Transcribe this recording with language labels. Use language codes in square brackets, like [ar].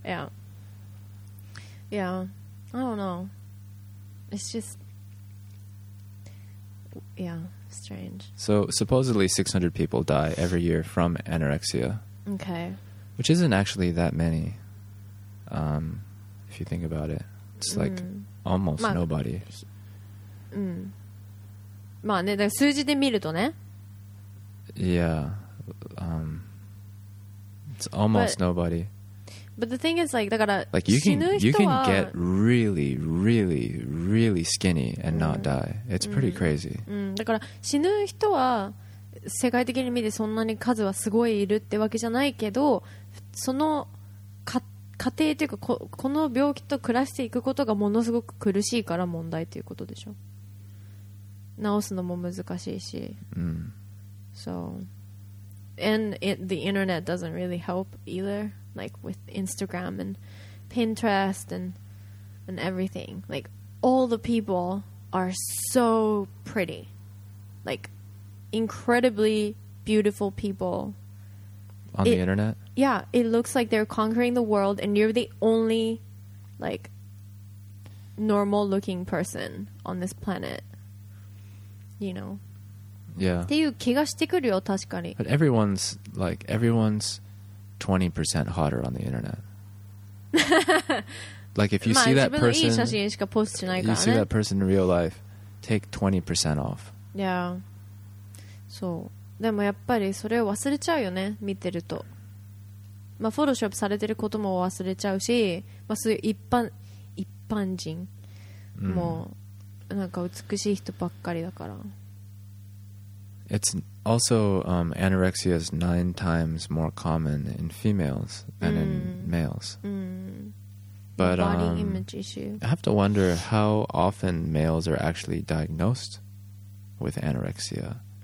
[en] Yeah. Yeah. I don't know. It's just... Yeah, strange. So supposedly 600 people die every year from anorexia. Okay. Which isn't actually that many, if you think about it. It's like almost nobody. [ja] まあね、だから数字で見るとね。 [en] Yeah. It's almost nobody. But the thing is, like, [ja] だから [en] like you can get really, really, really skinny and not die. It's pretty crazy. [ja] だから死ぬ人は世界的に見てそんなに数はすごいいるってわけじゃないけど、その過程というか この病気と暮らしていくことがものすごく苦しいから問題ということでしょ。治すのも難しいし。 [en] So, and the internet doesn't really help either. Like with Instagram and Pinterest and everything, like all the people are so pretty, like incredibly beautiful people on the internet. Yeah, it looks like they're conquering the world, and you're the only like normal looking person on this planet, you know? Yeah, [ja] っていう気がしてくるよ、確かに。 [en] But everyone's like, everyone's. 20% hotter on the internet. Like if you see that person, you see that person in real life, take 20% off. Yeah. So, [ja] でもやっぱりそれを忘れちゃうよね、見てると。まあフォローショップされてることも忘れちゃうし、まあそういう一般人もなんか美しい人ばっかりだから。 [en] It's also anorexia is 9 times more common in females than in males. But body image issue. I have to wonder how often males are actually diagnosed with anorexia.